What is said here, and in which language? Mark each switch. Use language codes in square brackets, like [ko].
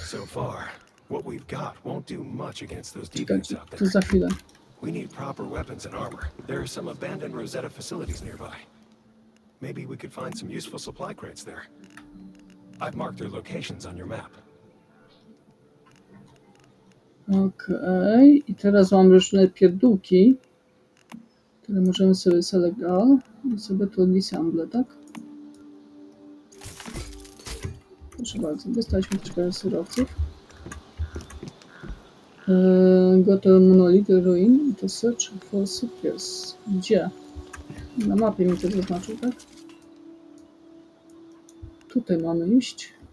[en] So far, what we've got won't do much against those deviants out there. [pl] To za chwilę. [en] We need proper weapons and armor. There are some abandoned Rosetta facilities nearby. Maybe we could find some useful supply crates there. I've marked their locations on your map. [pl] Okej, i teraz mam różne pierdółki, które możemy sobie selegal i sobie to disamble, tak? Proszę bardzo, dostaliśmy troszkę surowców. [en] Gotham Monolith Ruin to search for supplies. [pl] Gdzie? Na mapie mi to zaznaczył, tak? Tutaj mamy iść.